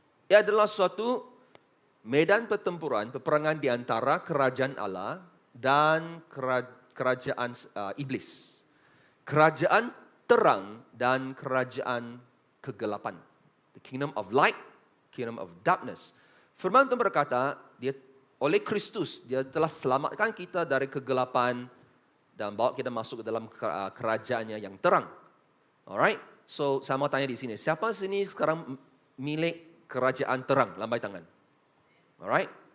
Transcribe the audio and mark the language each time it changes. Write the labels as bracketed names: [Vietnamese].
[Malay] Ia adalah suatu medan pertempuran, peperangan di antara kerajaan Allah dan kerajaan iblis. Kerajaan terang dan kerajaan kegelapan. [English] The kingdom of light, kingdom of darkness. [Malay] Firman Tuhan berkata, dia oleh Kristus, dia telah selamatkan kita dari kegelapan dan bawa kita masuk ke dalam kerajaannya yang terang. [English] Alright? So, [Malay] saya mau tanya di sini, siapa sini sekarang milik kerajaan terang? Lambai tangan. [English] Alright?